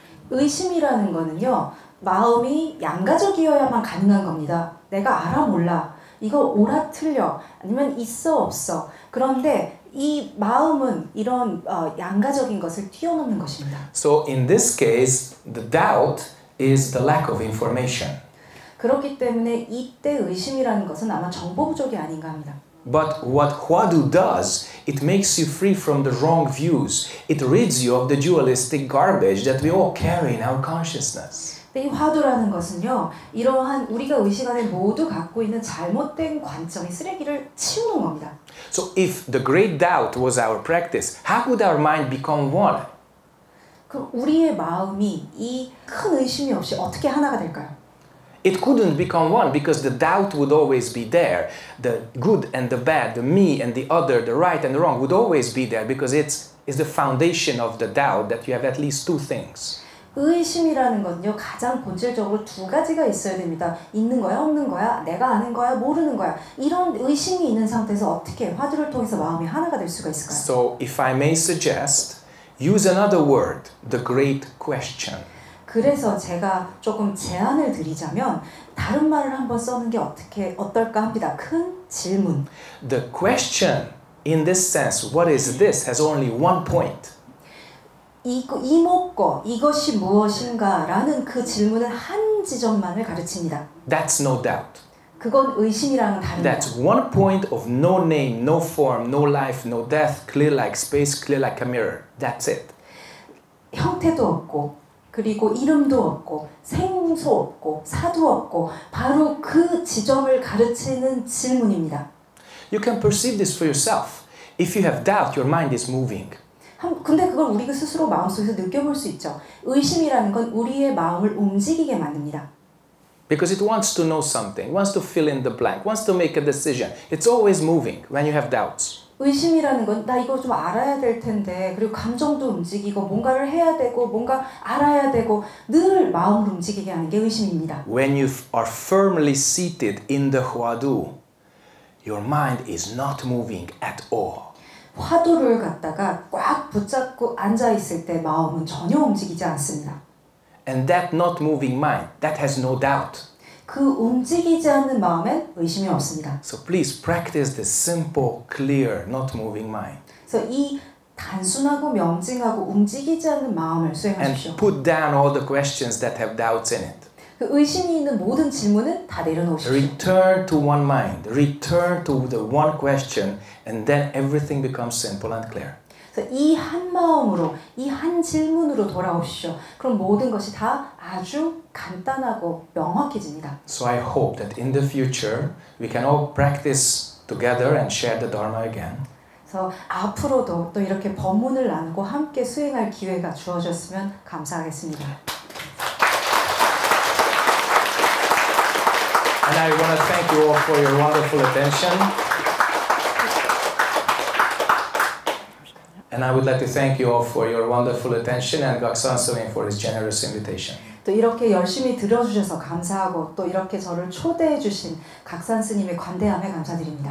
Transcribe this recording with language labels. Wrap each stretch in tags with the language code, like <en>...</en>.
<ko>의심이라는 거는요, 마음이 양가적이어야만 가능한 겁니다. 내가 알아 몰라. 이거 옳아 틀려. 아니면 있어 없어. 그런데 이 마음은 이런 양가적인 것을 뛰어넘는 것입니다.</ko> <en>So in this case, the doubt is the lack of information.</en> <ko>그렇기 때문에 이때 의심이라는 것은 아마 정보 부족이 아닌가 합니다.</ko> <en>But what Huadu does, it makes you free from the wrong views. It rids you of the dualistic garbage that we all carry in our consciousness.</en> <ko>이 화두라는 것은요, 이러한 우리가 의식 안에 모두 갖고 있는 잘못된 관점의 쓰레기를 치우는 겁니다.</ko> <en>So if the great doubt was our practice, how would our mind become one?</en> <ko>그럼 우리의 마음이 이 큰 의심이 없이 어떻게 하나가 될까요?</ko> <en>It couldn't become one because the doubt would always be there. The good and the bad, the me and the other, the right and the wrong would always be there because it's the foundation of the doubt that you have at least two things.</en> <ko>의심이라는 건요, 가장 본질적으로 두 가지가 있어야 됩니다. 있는 거야, 없는 거야, 내가 아는 거야, 모르는 거야. 이런 의심이 있는 상태에서 어떻게 화두를 통해서 마음이 하나가 될 수가 있을까요?</ko> <en>So, if I may suggest, use another word, the great question.</en> <ko>그래서 제가 조금 제안을 드리자면, 다른 말을 한번 써는 게 어떻게, 어떨까 합니다. 큰 질문.</ko> <en>The question, in this sense, what is this, has only one point.</en> <ko>이목거 이것이 무엇인가라는 그 질문은 한 지점만을 가르칩니다.</ko> <en>That's no doubt.</en> <ko>그건 의심이랑은 다릅니다.</ko> <en>That's one point of no name, no form, no life, no death, clear like space, clear like a mirror. That's it.</en> <ko>형태도 없고 그리고 이름도 없고 생소 없고 사도 없고 바로 그 지점을 가르치는 질문입니다.</ko> <en>You can perceive this for yourself. If you have doubt, your mind is moving.</en> <ko>근데 그걸 우리가 스스로 마음속에서 느껴볼 수 있죠. 의심이라는 건 우리의 마음을 움직이게 만듭니다.</ko> <en>Because it wants to know something, wants to fill in the blank, wants to make a decision. It's always moving when you have doubts.</en> <ko>의심이라는 건 나 이거 좀 알아야 될 텐데 그리고 감정도 움직이고 뭔가를 해야 되고 뭔가 알아야 되고 늘 마음을 움직이게 하는 게 의심입니다.</ko> <en>When you are firmly seated in the 화두, your mind is not moving at all.</en> <ko>화두를 갖다가 꽉 붙잡고 앉아 있을 때 마음은 전혀 움직이지 않습니다.</ko> <en>And that not moving mind, that has no doubt.</en> <ko>그 움직이지 않는 마음엔 의심이 없습니다.</ko> <en>So please practice this simple, clear, not moving mind.</en> <ko>So 이 단순하고 명징하고 움직이지 않는 마음을 수행하십시오.</ko> <en>And put down all the questions that have doubts in it.</en> <ko>그 의심이 있는 모든 질문은 다 내려놓으십시오.</ko> <en>Return to one mind. Return to the one question, and then everything becomes simple and clear.</en> <ko>이 한 마음으로, 이 한 질문으로 돌아오시죠. 그럼 모든 것이 다 아주 간단하고 명확해집니다.</ko> <en>So I hope that in the future we can all practice together and share the Dharma again.</en> <ko>그래서 앞으로도 또 이렇게 법문을 나누고 함께 수행할 기회가 주어졌으면 감사하겠습니다.</ko> <en>And I want to thank you all for your wonderful attention. And I would like to thank you all for your wonderful attention and Gak San Sunim for his generous invitation.</en> <ko>또 이렇게 열심히 들어주셔서 감사하고 또 이렇게 저를 초대해 주신 Gak San Sunim의 관대함에 감사드립니다.</ko>